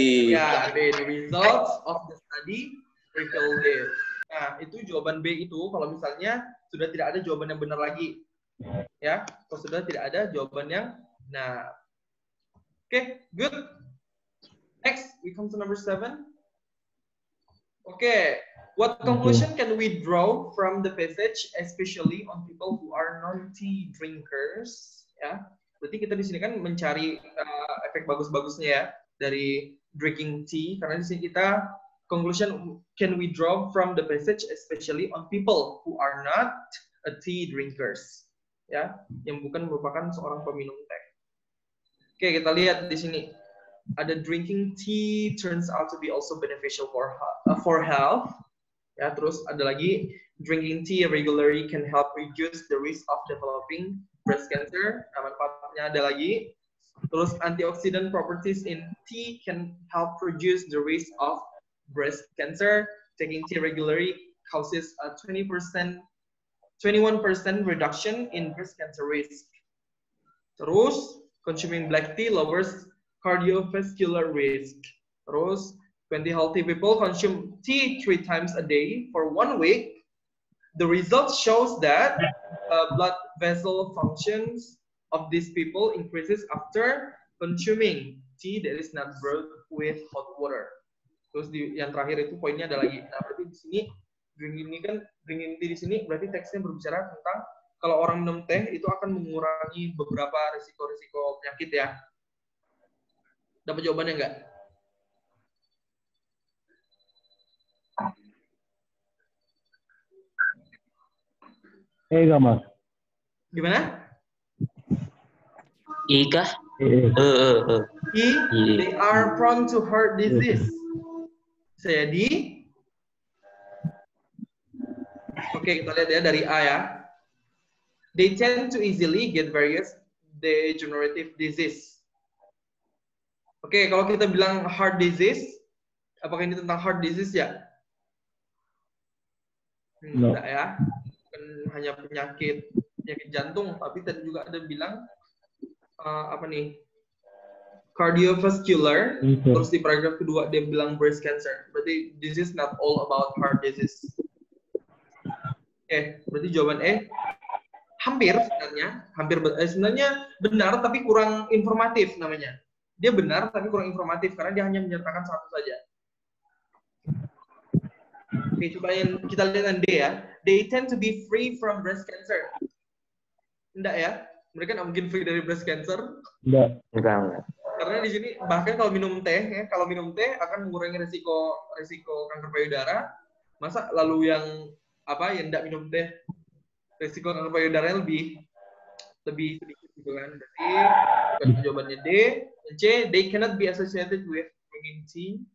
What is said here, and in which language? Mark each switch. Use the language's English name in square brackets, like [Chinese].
[English] Ya, B. The results of the study reveal this. [Indonesian] Nah, itu jawaban B itu kalau misalnya sudah tidak ada jawaban yang benar lagi. Ya, kalau sudah tidak ada jawaban yang nah, oke, [English] okay, good. Next, we come to number 7. Okay, what conclusion can we draw from the passage, especially on people who are non-tea drinkers? [Indonesian] Ya, berarti kita di sini kan mencari efek bagus-bagusnya ya dari drinking tea. Karena di sini kita [English] conclusion can we draw from the passage, especially on people who are not a tea drinkers? [Indonesian] Ya, yang bukan merupakan seorang peminum teh. [English] Oke, okay, [Indonesian] kita lihat di sini. Ada [English] drinking tea turns out to be also beneficial for health. Ya, [Indonesian] terus ada lagi [English] drinking tea regularly can help reduce the risk of developing breast cancer. [Indonesian] Nah, manfaatnya ada lagi. [English] Terus antioxidant properties in tea can help reduce the risk of breast cancer. Taking tea regularly causes a 21% reduction in breast cancer risk. Terus consuming black tea lowers cardiovascular risk. Terus, 20 healthy people consume tea 3 times a day for 1 week. The result shows that blood vessel functions of these people increases after consuming tea that is not brewed with hot water. [Indonesian] Terus di, yang terakhir itu poinnya ada lagi. Nah, berarti di sini drinking tea di sini berarti teksnya berbicara tentang kalau orang minum teh itu akan mengurangi beberapa risiko-risiko penyakit ya. Dapat jawabannya enggak? Ega, Mas. Gimana? Ega. [English] They are prone to heart disease. [Indonesian] Jadi oke, kita lihat ya dari A ya. [English] They tend to easily get various degenerative disease. [Indonesian] Oke, okay, kalau kita bilang heart disease, apakah ini tentang heart disease ya? Tidak ya. Bukan hanya penyakit jantung, tapi tadi juga ada bilang apa nih? Cardiovascular. Mm-hmm. Terus di paragraf kedua dia bilang breast cancer. [English] Berarti this is not all about heart disease. [Indonesian] Oke, okay, berarti jawaban E. Hampir sebenarnya benar tapi kurang informatif namanya. Dia benar tapi kurang informatif karena dia hanya menyertakan satu saja. Oke, coba yang kita lihat yang D ya. [English] They tend to be free from breast cancer. [Indonesian] Enggak ya? Mereka enggak mungkin free dari breast cancer? Enggak. Karena di sini bahkan kalau minum teh ya, kalau minum teh akan mengurangi risiko kanker payudara. Masa lalu yang apa yang enggak minum teh risiko kanker payudara lebih sedikit gitu kan. Berarti kan jawabannya D. [English] Dan C, they cannot be associated with drinking tea.